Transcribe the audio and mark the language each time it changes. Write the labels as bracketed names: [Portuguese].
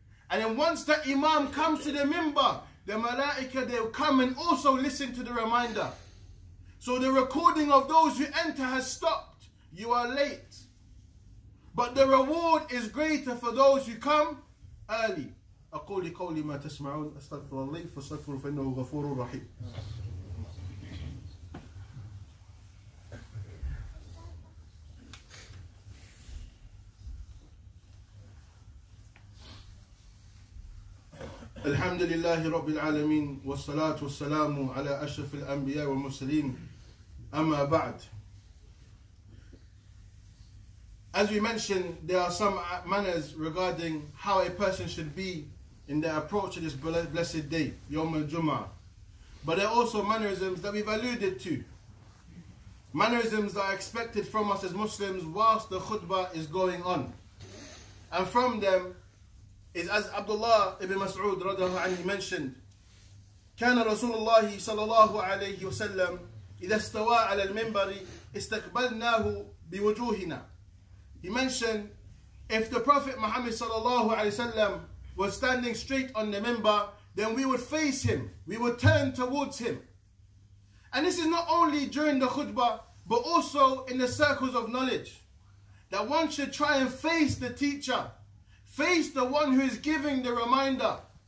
[English] And then once the Imam comes to the minbar, the Malaika, they'll come and also listen to the reminder. So the recording of those who enter has stopped. You are late. But the reward is greater for those who come early. [Arabic] أقول قولي ما تسمعون أستغفر الله فاستغفر فإنه غفور رحيم. الحمد لله رب العالمين والصلاة والسلام على أشرف الأنبياء والمرسلين أما بعد. [English] As we mentioned, there are some manners regarding how a person should be in their approach to this blessed day, Yawm al-Jum'ah. But there are also mannerisms that we've alluded to. Mannerisms that are expected from us as Muslims whilst the khutbah is going on. And from them is, as Abdullah ibn Mas'ud radiallahu anhu mentioned, [Arabic] كان رسول الله صلى الله عليه وسلم إذا استوى على المنبر استقبلناه بوجوهنا. [English] He mentioned, if the Prophet Muhammad sallallahu alayhi wa sallam was standing straight on the minbar, then we would face him, we would turn towards him. And this is not only during the khutbah, but also in the circles of knowledge, that one should try and face the teacher, face the one who is giving the reminder.